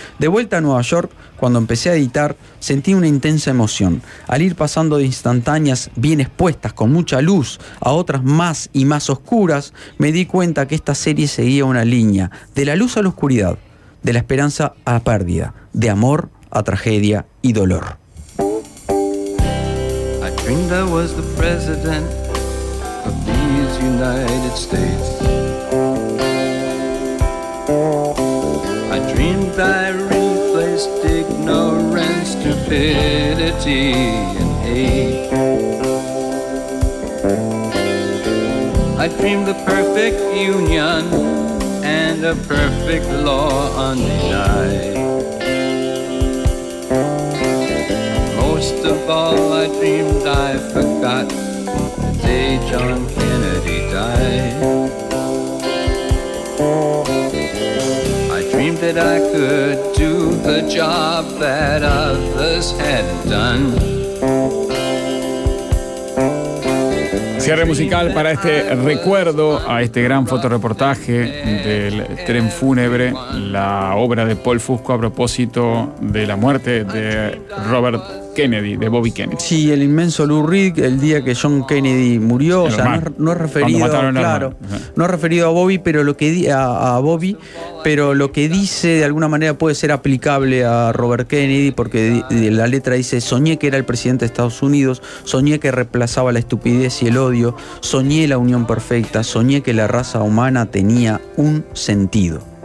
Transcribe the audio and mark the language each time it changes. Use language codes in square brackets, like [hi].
[es] De vuelta a Nueva York, cuando empecé a editar, sentí una intensa emoción. Al ir pasando de instantáneas bien expuestas, con mucha luz, a otras más y más oscuras, me di cuenta que esta serie seguía una línea. De la luz a la oscuridad, de la esperanza a la pérdida, de amor a tragedia y dolor. [en] I dreamed I was the president of these United States. I dreamed I replaced ignorance, stupidity, and hate. I dreamed a perfect union and a perfect law undenied. Most of all, I dreamed I forgot the day John Kennedy died. That I could do the job that others hadn't done. [es] Cierre musical para este recuerdo a este gran fotoreportaje del tren fúnebre, la obra de Paul Fusco a propósito de la muerte de Robert Kennedy, de Bobby Kennedy. Sí, el inmenso Lou Reed, el día que John Kennedy murió, o sea, no es referido, claro, no es referido a Bobby, pero lo que dice de alguna manera puede ser aplicable a Robert Kennedy, porque la letra dice: soñé que era el presidente de Estados Unidos, soñé que reemplazaba la estupidez y el odio, soñé la unión perfecta, soñé que la raza humana tenía un sentido.